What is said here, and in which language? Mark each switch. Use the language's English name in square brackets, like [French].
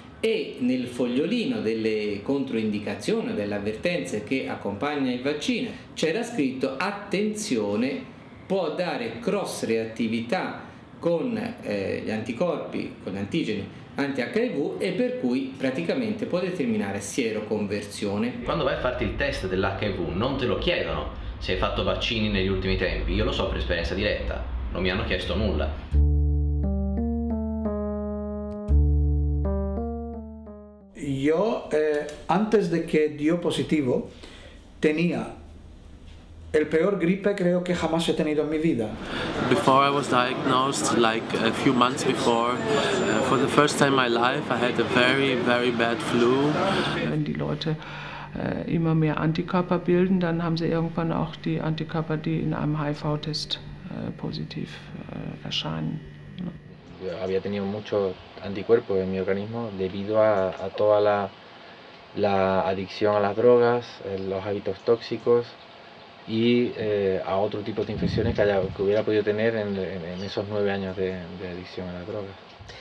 [Italian] E nel fogliolino delle controindicazioni, delle avvertenze che accompagna il vaccino, c'era scritto: attenzione, può dare cross reattività con gli anticorpi, con gli antigeni anti-HIV, e per cui praticamente può determinare sieroconversione. Quando vai a farti il test dell'HIV non te lo chiedono se hai fatto vaccini negli ultimi tempi, io lo so per esperienza diretta, non mi hanno chiesto nulla. [Spanish] Yo, antes de que dio positivo, tenía el peor gripe creo que jamás he tenido en mi vida. [English] Before I was diagnosed, like a few months before, for the first time in my life, I had a very, very bad flu. [German] Wenn die Leute immer mehr Antikörper bilden, dann haben sie irgendwann auch die Antikörper, die in einem HIV-Test positiv erscheinen. [Spanish] Había tenido mucho anticuerpos en mi organismo debido a toda la adicción a las drogas, los hábitos tóxicos y a otro tipo de infecciones que hubiera podido tener en esos 9 años de adicción a las drogas.